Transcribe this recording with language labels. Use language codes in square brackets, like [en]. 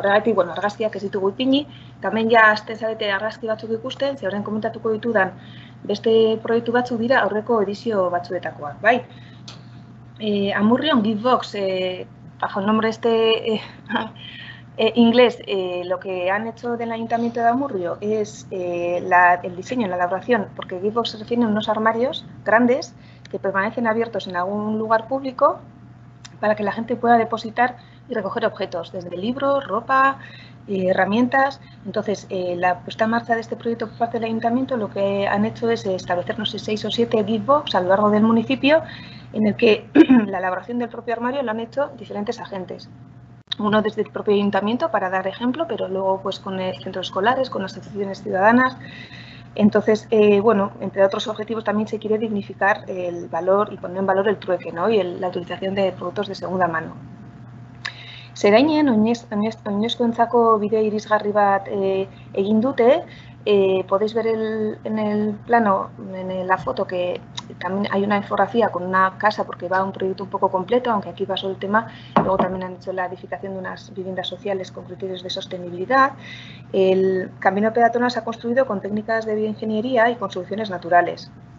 [eu] Horregatik, bueno, argazkiak ez ditugu ipini, tamen ja azten zarete argazki batzuk ikusten, ze orain komentatuko ditudan beste proiektu batzuk dira aurreko edizio batzuetakoak. [es] Bai, Amurrion, Givebox, bajo el nombre este inglés, lo que han hecho del Ayuntamiento de Amurrio es el diseño, la elaboración, porque Givebox se refiere a unos armarios grandes que permanecen abiertos en algún lugar público para que la gente pueda depositar y recoger objetos, desde libros, ropa, herramientas. Entonces, la puesta en marcha de este proyecto por parte del Ayuntamiento, lo que han hecho es establecer, no sé, 6 o 7 Givebox a lo largo del municipio, en el que la elaboración del propio armario lo han hecho diferentes agentes. Uno desde el propio ayuntamiento, para dar ejemplo, pero luego pues con centros escolares, con asociaciones ciudadanas. Entonces, bueno, entre otros objetivos también se quiere dignificar el valor y poner en valor el trueque, ¿no? Y la utilización de productos de segunda mano. [eu] Zerainen, oinezkoentzako bidea irisgarri bat egin dute. [es] Podéis ver en el plano, en la foto, que también hay una infografía con una casa porque va a un proyecto un poco completo, aunque aquí pasó el tema. Luego también han hecho la edificación de unas viviendas sociales con criterios de sostenibilidad. El camino peatonal se ha construido con técnicas de bioingeniería y con soluciones naturales.